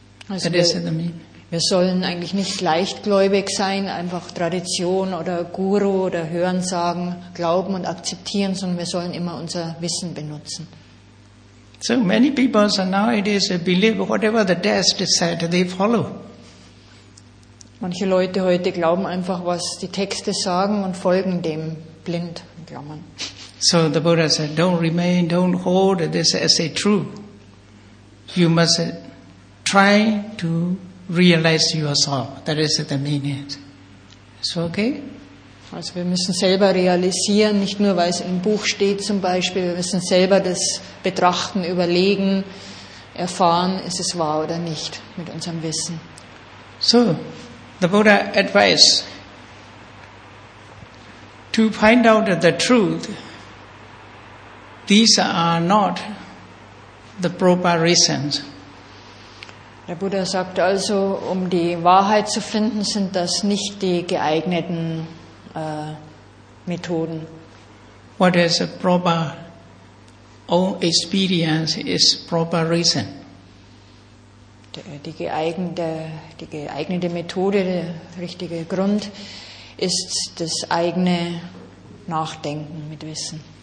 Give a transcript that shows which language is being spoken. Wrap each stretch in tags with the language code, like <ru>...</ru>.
<de>Also wir sollen eigentlich nicht leichtgläubig sein, einfach Tradition oder Guru oder Hörensagen glauben und akzeptieren, sondern wir sollen immer unser Wissen benutzen.</de> <en>So many people so nowadays believe whatever the text said, they follow.</en> <de>Manche Leute heute glauben einfach, was die Texte sagen und folgen dem blind, in Klammern.</de> <en>So the Buddha said, don't remain, don't hold this as a truth. You must try to realize yourself. That is the meaning. Is it okay?</en> <de>Also wir müssen selber realisieren, nicht nur weil es im Buch steht zum Beispiel, wir müssen selber das betrachten, überlegen, erfahren, ist es wahr oder nicht mit unserem Wissen.</de> <en>So, the Buddha advised to find out the truth. These are not the proper reasons.</en> <de>Der Buddha sagt also, um die Wahrheit zu finden, sind das nicht die geeigneten Methoden.</de> <en>What is a proper own experience is proper reason.</en> <de>Die geeignete Methode, der richtige Grund, ist das eigene Nachdenken mit Wissen.</de>